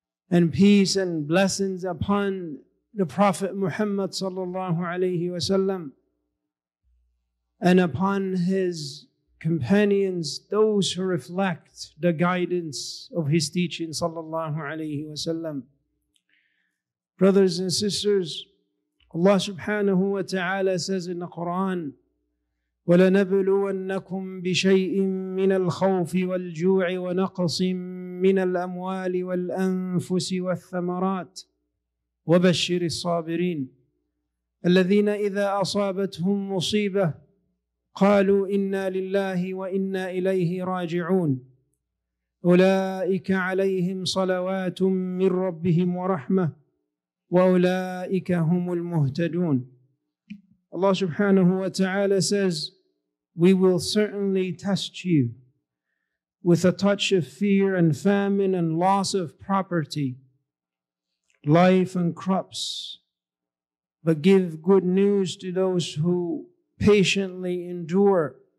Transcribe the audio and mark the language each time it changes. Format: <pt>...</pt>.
<en>And peace and blessings upon the Prophet Muhammad sallallahu alayhi wa sallam, and upon his companions, those who reflect the guidance of his teaching sallallahu alayhi wa sallam. Brothers and sisters, Allah subhanahu wa ta'ala says in the Quran,</en> <ar>وَلَنَبْلُوَنَّكُمْ بِشَيْءٍ مِّنَ الْخَوْفِ وَالْجُوعِ وَنَقْصٍ مِّنَ الْأَمْوَالِ وَالْأَنفُسِ وَالثَّمَرَاتِ وَبَشِّرِ الصَّابِرِينَ الَّذِينَ إِذَا أَصَابَتْهُمْ مُصِيبَةٌ قَالُوا إِنَّا لِلَّهِ وَإِنَّا إِلَيْهِ رَاجِعُونَ أُولَئِكَ عَلَيْهِمْ صَلَوَاتٌ مِّن رَّبِّهِمْ وَرَحْمَةٌ وَأُولَئِكَ هُمُ الْمُهْتَدُونَ.</ar> <en>Allah subhanahu wa ta'ala says, we will certainly test you with a touch of fear and famine and loss of property, life and crops, but give good news to those who patiently endure.</en>